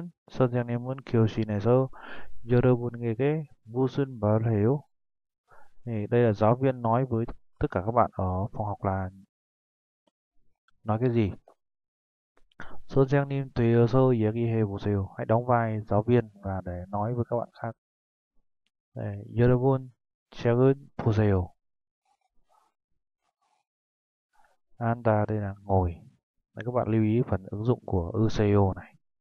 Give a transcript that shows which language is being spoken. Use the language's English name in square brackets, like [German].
[Korean] 선생님은 교실에서 여러분에게 무슨 말을 해요? [Vietnamese] Đây là giáo viên nói với tất cả các bạn ở phòng học là nói cái gì? [Korean] 선생님 되어서 얘기해 보세요. [Vietnamese] Hãy đóng vai giáo viên và để nói với các bạn khác. [Korean] 네, 여러분 책은 보세요. [Vietnamese] 앉다 đây là ngồi. Đấy, các bạn lưu ý phần ứng dụng của ECO này.